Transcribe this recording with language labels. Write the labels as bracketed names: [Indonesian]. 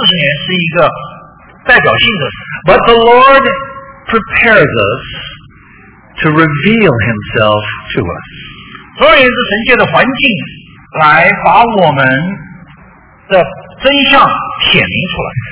[Chinese] 当然今天神不会对我们再搞40年，摩西的40年是一个代表性的。 [English] But the Lord prepares us to reveal himself to us. [Chinese] 所以是神借的环境来把我们的真相显明出来。